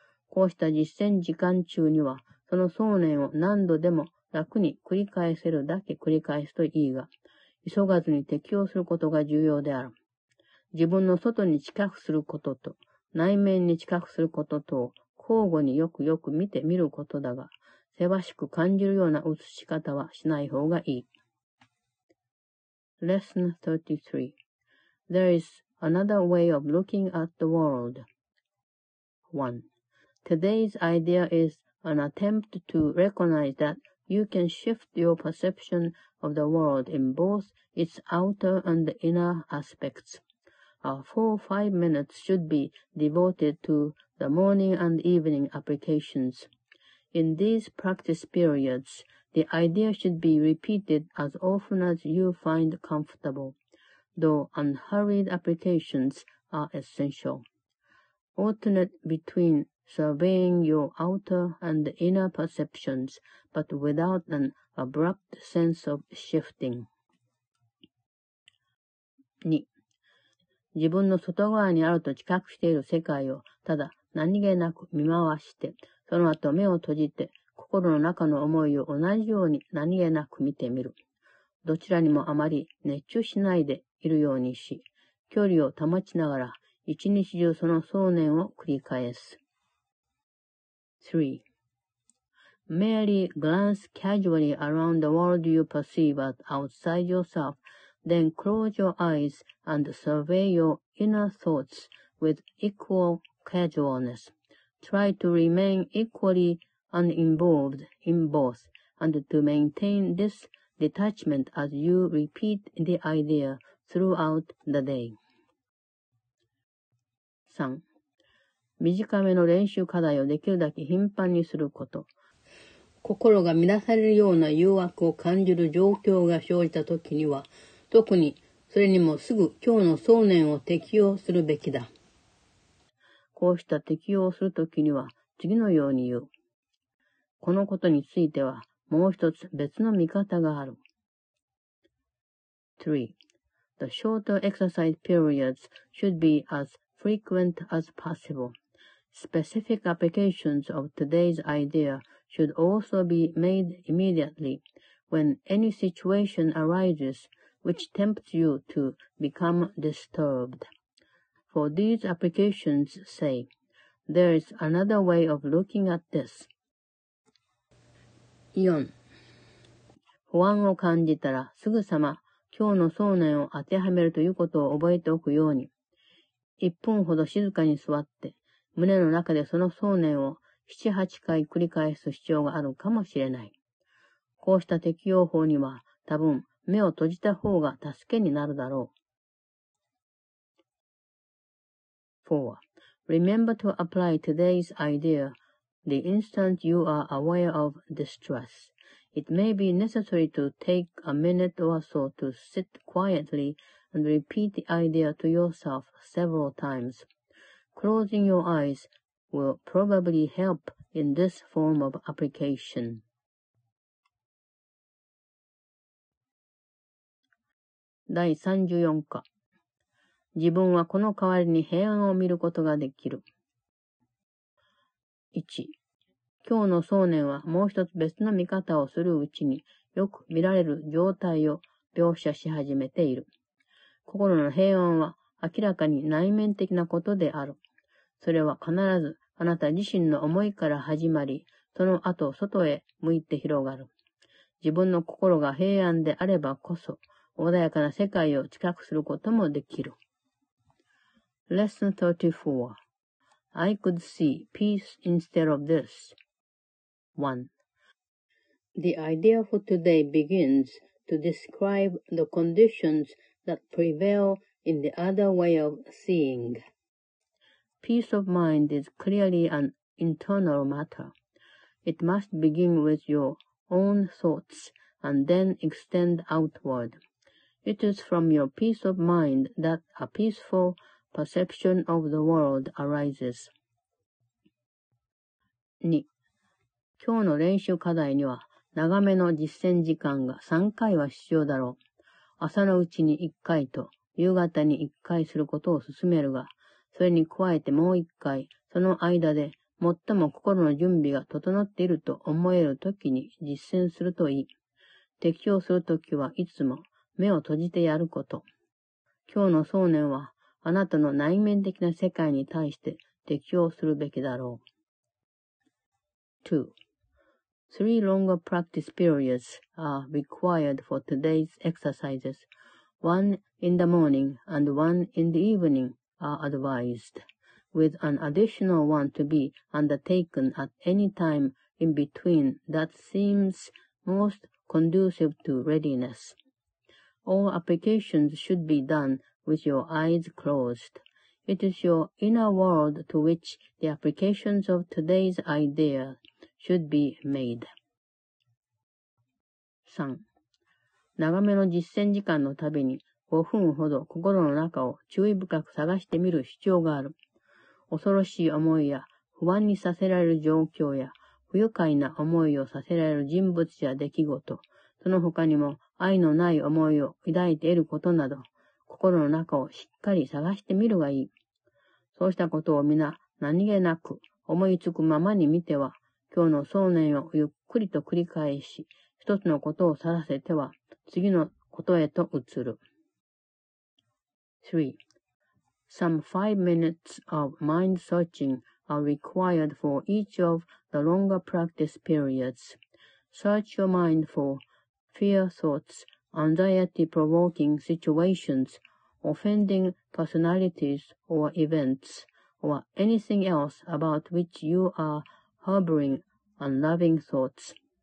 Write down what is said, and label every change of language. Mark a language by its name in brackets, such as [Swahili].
[Japanese] こうした実践時間中には、その想念を何度でも楽に繰り返せるだけ繰り返すといいが、急がずに適応することが重要である。自分の外に近くすることと、内面に近くすることとを交互によくよく見てみることだが、せわしく感じるような映し方はしない方がいい。 [English] Lesson 33. There is... Another way of looking at the world. 1. Today's idea is an attempt to recognize that you can shift your perception of the world in both its outer and inner aspects. 4 or 5 minutes should be devoted to the morning and evening applications. In these practice periods, the idea should be repeated as often as you find comfortable. Though unhurried applications are essential. Alternate between surveying your outer and inner perceptions, but without an abrupt sense of shifting. [Japanese] 2. 自分の外側にあると知覚している世界をただ何気なく見回して、その後目を閉じて心の中の思いを同じように何気なく見てみる。どちらにもあまり熱中しないで、いるようにし、距離を保ちながら、一日中その想念を繰り返す。 [English] 3. Merely glance casually around the world you perceive as outside yourself, then close your eyes and survey your inner thoughts with equal casualness. Try to remain equally uninvolved in both and to maintain this detachment as you repeat the ideathroughout the day. 3. [Japanese] 短めの練習課題をできるだけ頻繁にすること。心が乱されるような誘惑を感じる状況が生じたときには、特にそれにもすぐ今日の想念を適用するべきだ。こうした適用するときには、次のように言う。このことについては、もう一つ別の見方がある。 [English] 3. The shorter exercise periods should be as frequent as possible. Specific applications of today's idea should also be made immediately when any situation arises which tempts you to become disturbed. For these applications say, there is another way of looking at this. [Japanese] 4. 不安を感じたらすぐさま今日の想念を当てはめるということを覚えておくように。 1分ほど静かに座って、胸の中でその想念を7、8回繰り返す必要があるかもしれない。こうした適用法には多分目を閉じた方が助けになるだろう。 [English] 4. Remember to apply today's idea the instant you are aware of distress. It may be necessary to take a minute or so to sit quietly and repeat the idea to yourself several times. Closing your eyes will probably help in this form of application. [Japanese] 第34課。自分はこの代わりに平安を見ることができる。 1。今日の想念はもう一つ別の見方をするうちによく見られる状態を描写し始めている。心の平安は明らかに内面的なことである。それは必ずあなた自身の思いから始まり、その後外へ向いて広がる。自分の心が平安であればこそ、穏やかな世界を近くすることもできる。 [English] Lesson 34. I could see peace instead of this. 1. The idea for today begins to describe the conditions that prevail in the other way of seeing. Peace of mind is clearly an internal matter. It must begin with your own thoughts and then extend outward. It is from your peace of mind that a peaceful perception of the world arises. [Japanese] 2. 今日の練習課題には長めの実践時間が3回は必要だろう。朝のうちに1回と夕方に1回することを勧めるが、それに加えてもう1回、その間で最も心の準備が整っていると思える時に実践するといい。適応するときはいつも目を閉じてやること。今日の想念はあなたの内面的な世界に対して適応するべきだろう。 [English] 2. Three longer practice periods are required for today's exercises. One in the morning and one in the evening are advised, with an additional one to be undertaken at any time in between that seems most conducive to readiness. All applications should be done with your eyes closed. It is your inner world to which the applications of today's ideashould be made. [Japanese] 3. 長めの実践時間のたびに5分ほど心の中を注意深く探してみる必要がある。恐ろしい思いや不安にさせられる状況や不愉快な思いをさせられる人物や出来事、その他にも愛のない思いを抱いていることなど、心の中をしっかり探してみるがいい。そうしたことを皆何気なく思いつくままに見ては、今日の想念をゆっくりと繰り返し、一つのことを去らせては、次のことへと移る。 [English] 3. Some 5 minutes of mind searching are required for each of the longer practice periods. Search your mind for fear thoughts, anxiety-provoking situations, offending personalities or events, or anything else about which you are harboring unloving thoughts.